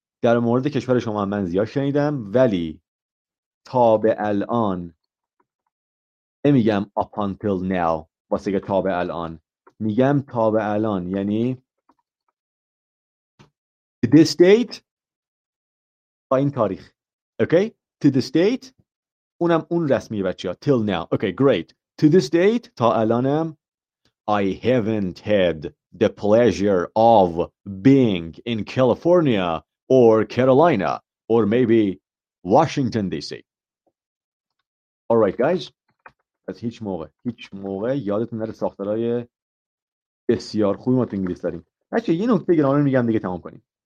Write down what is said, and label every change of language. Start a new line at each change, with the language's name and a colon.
Persian: در مورد کشور شما من زیاد شنیدم ولی تا به الان نمیگم
English: up until now
Persian: واسه که تا به الان، میگم تا به الان یعنی
English: to this date
Persian: با این تاریخ.
English: Okay, to this date
Persian: اونم اون رسمی بچه ها
English: till now. Okay, great. To this date
Persian: تا الانم
English: I haven't had the pleasure of being in California or Carolina or maybe Washington DC. Alright guys,
Persian: از هیچ موقع یادتون نره ساختارهای بسیار خوبی ما تو انگلیس داریم. بچه یه نکته گرامر میگم دیگه تمام کنیم.